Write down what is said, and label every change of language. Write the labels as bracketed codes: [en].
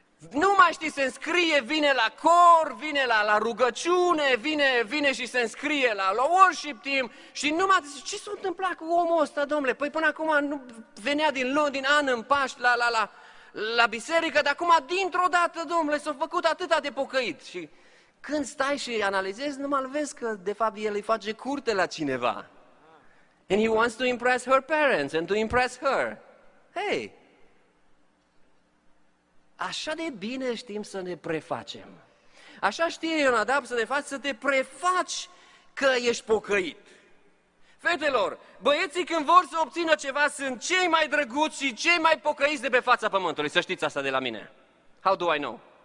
[ro] Nu mai știi, se înscrie, vine la cor, vine la rugăciune, vine și se înscrie la worship team și numai zice, ce s-a întâmplat cu omul ăsta, domnule? Păi până acum nu venea din luni, din an în Paști la biserică, dar acum dintr-o dată, domnule, s-a făcut atâta de pocăit. Și când stai și analizezi, numai vezi că de fapt el îi face curte la cineva. [en] And he wants to impress her parents and to impress her. Hey! [ro] Așa de bine știm să ne prefacem. Așa știe Ionadab să ne faci, să te prefaci că ești pocăit. Fetelor, băieții când vor să obțină ceva sunt cei mai drăguți și cei mai pocăiți de pe fața pământului. Să știți asta de la mine. [en] How do I know?